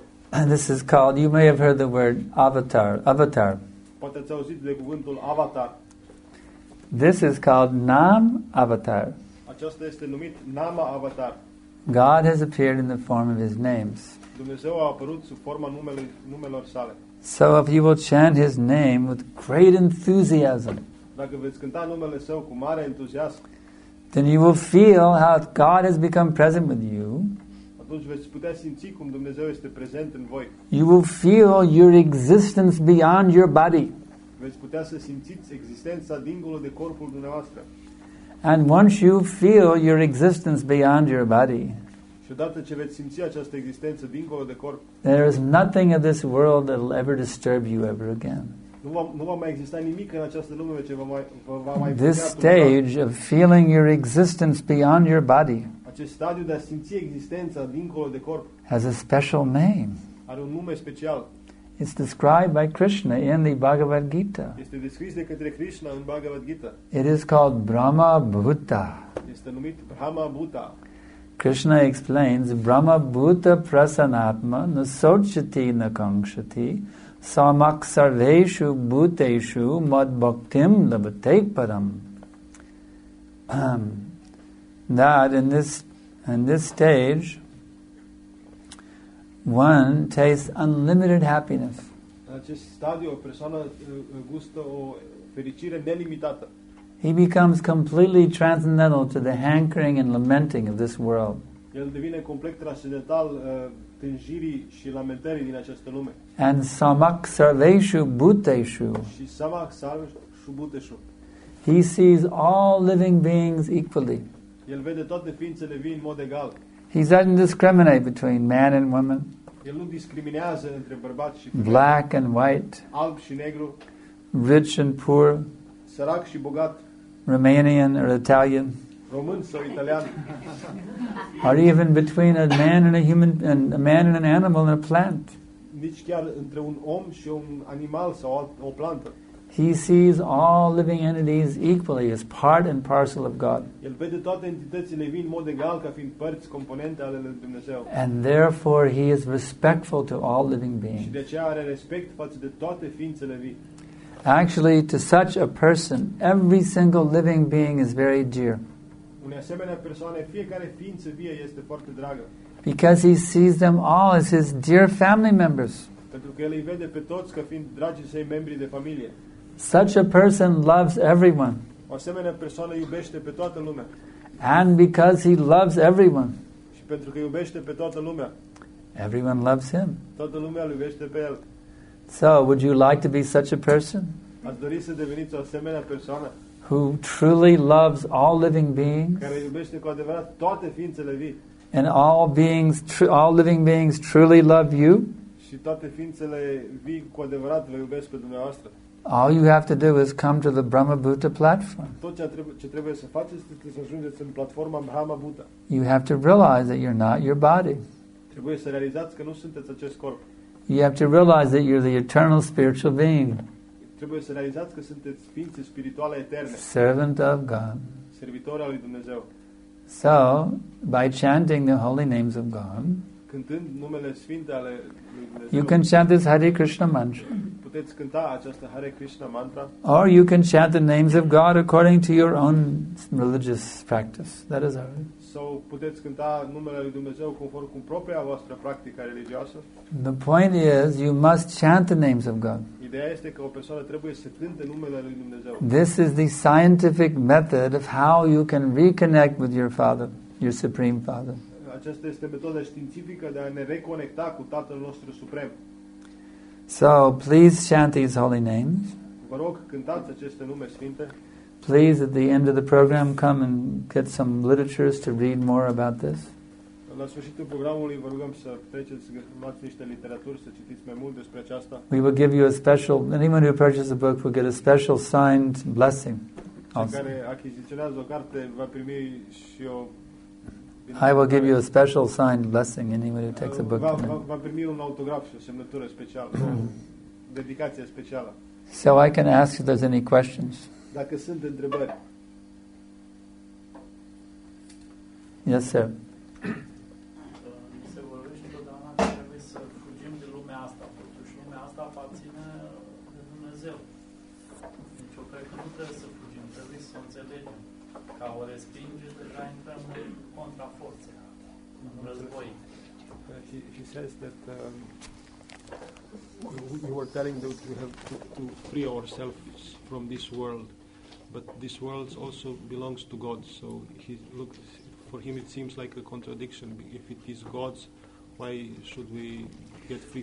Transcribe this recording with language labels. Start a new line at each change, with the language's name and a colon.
English: And this is called, you may have heard the word avatar.
Romanian: Poate ați auzit de cuvântul avatar.
English: This is called Nam Avatar.
Romanian: Aceasta este numit Nama Avatar.
English: God has appeared in the form of his names.
Romanian: Dumnezeu a apărut sub forma numelor sale.
English: So if you will chant his name with great enthusiasm,
Romanian: dacă veți cânta numele său cu mare entuziasm,
English: then you will feel how God has become present with you.
Romanian: Atunci veți putea simți cum Dumnezeu este prezent în voi.
English: You will feel your existence beyond your body.
Romanian: Veți putea să simțiți existența dincolo de corpul dumneavoastră.
English: And once you feel your existence beyond your body,
Romanian: și odată ce veți simți această existență dincolo de corp,
English: there is nothing in this world that will ever disturb you ever again.
Romanian: Nu va mai exista nimic în această lume ce va mai
English: this stage of feeling your existence beyond your body,
Romanian: acest stadiu de a simți existența dincolo de corp,
English: has a special name.
Romanian: Are un nume special.
English: It's described by Krishna in the Bhagavad Gita.
Romanian: Este descris de către Krishna în Bhagavad Gita.
English: It is called Brahma Bhuta.
Romanian: Este numit Brahma Bhuta.
Sanskrit: Krishna explains, Brahma Bhuta Prasanatma Nasochati Nakangshati Samaksarveshu Bhuteshu Madbhaktim Labhate Param.
English: That in this stage, one tastes unlimited happiness.
Romanian: În acest stadiu, o persoană gustă o fericire nelimitată.
English: He becomes completely transcendental to the hankering and lamenting of this world.
Romanian: El devine complet transcendental tânjirii și lamentării din această lume.
Sanskrit: And samak sarveshu bhuteshu. Și samak sarveshu bhuteshu.
English: He sees all living beings equally.
Romanian: El vede toate ființele vii în mod egal.
English: He doesn't discriminate between man and woman.
Romanian: El nu discriminează între bărbat și femeie.
English: Black and white.
Romanian: Alb și negru.
English: Rich and poor.
Romanian: Sărac și bogat.
English: Romanian or Italian.
Romanian: Român sau italian.
English: Or even between a man and a human and a man and an animal and a plant.
Romanian: Nici chiar între un om și un animal sau o plantă.
English: He sees all living entities equally as part and parcel of God.
Romanian: El vede toate entitățile vii în mod egal ca fiind părți componente ale lui Dumnezeu.
English: And therefore he is respectful to all living beings.
Romanian: Și de aceea are respect față de toate ființele vii.
English: Actually, to such a person, every single living being is very dear.
Romanian: Unei asemenea persoane, fiecare ființă vie este foarte dragă.
English: Because he sees them all as his dear family members.
Romanian: Pentru că el îi vede pe toți ca fiind dragii săi membri de familie.
English: Such a person loves everyone.
Romanian: O asemenea persoană iubește pe toată lumea.
English: And because he loves everyone.
Romanian: Și pentru că iubește pe toată lumea.
English: Everyone loves him.
Romanian: Toată lumea îl iubește pe el.
English: So, would you like to be such a person?
Romanian: Ați dori să deveniți o asemenea persoană?
English: Who truly loves all living beings?
Romanian: Care iubește cu adevărat toate ființele vii?
English: And all beings, all living beings truly love you?
Romanian: Și toate ființele vii cu adevărat vă iubesc pe dumneavoastră?
English: All you have to do is come to the Brahma-Buddha platform.
Romanian: Tot ce trebuie să faceți este să ajungeți în platforma Brahma-Buddha.
English: You have to realize that you're not your body.
Romanian: Trebuie să realizați că nu sunteți acest corp.
English: You have to realize that you're the eternal spiritual being.
Romanian: Trebuie să realizați că sunteți ființe spirituale eterne.
English: Servant of God.
Romanian: Servitor al lui Dumnezeu.
English: So, by chanting the holy names of God,
Romanian: cântând numele sfinte ale lui Dumnezeu,
English: you can chant this Hare Krishna mantra.
Romanian: Puteți cânta această Hare Krishna mantra.
English: Or you can chant the names of God according to your own religious practice. That is all.
Romanian: Sau puteți cânta numele lui Dumnezeu conform cu propria voastră practică religioasă.
English: The point is, you must chant the names of God.
Romanian: Ideea este că o persoană trebuie să cânte numele lui Dumnezeu.
English: This is the scientific method of how you can reconnect with your Father, your Supreme Father.
Romanian: Aceasta este metoda științifică de a ne reconecta cu Tatăl nostru suprem.
English: So, please chant these holy names.
Romanian: Vă rog, cântați aceste nume sfinte.
English: Please, at the end of the program, come and get some literatures to read more about this.
Romanian: La sfârșitul programului vă rugăm să treceți, să găsiți niște literaturi, să citiți mai mult despre aceasta.
English: We will give you a special, anyone who purchases a book will get a special signed blessing.
Romanian: Cei care achiziționează o carte va primi și o...
English: I will give you a special signed blessing, anyone who takes a book to me.
Romanian: Va primi un autograf și o semnătură specială, o dedicație specială.
English: So I can ask if there's any questions.
Romanian: Dacă sunt întrebări.
English: Yes, sir.
Romanian: Se vorbește totdeauna că trebuie să fugim de lumea asta, totuși lumea asta aparține de Dumnezeu. Deci eu cred că nu trebuie să fugim, trebuie să o înțelegem. Ca o respinge, deja intrăm în contraforțe, în război.
English: He says that you were telling that you have to free ourselves from this world. But this world also belongs to God, so he looked, for him it seems like a contradiction. If it is God's, why should we get free?